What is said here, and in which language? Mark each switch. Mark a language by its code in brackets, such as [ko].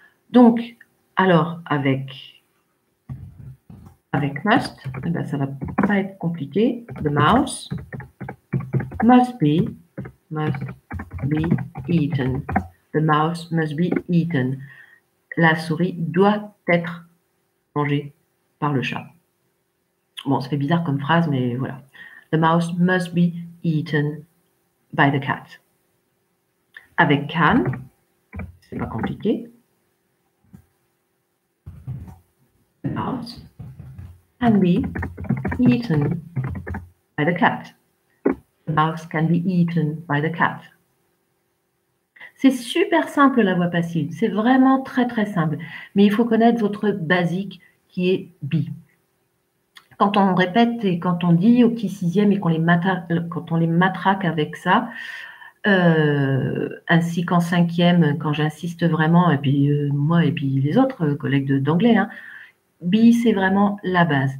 [fr] Donc, alors, avec must, eh ben, ça ne va pas être compliqué. [en] The mouse. Must be eaten. The mouse must be eaten. [fr] La souris doit être mangée par le chat. Bon, ça fait bizarre comme phrase, mais voilà. [en] The mouse must be eaten by the cat. [fr] Avec can, c'est pas compliqué. [en] The mouse can be eaten by the cat. The mouse can be eaten by the cat. [fr] C'est super simple la voix passive. C'est vraiment très très simple. Mais il faut connaître votre basique qui est be. Quand on répète et quand on dit au petit sixième et quand on les matraque avec ça, ainsi qu'en cinquième, quand j'insiste vraiment, et puis moi et puis les autres collègues d'anglais, hein, be c'est vraiment la base.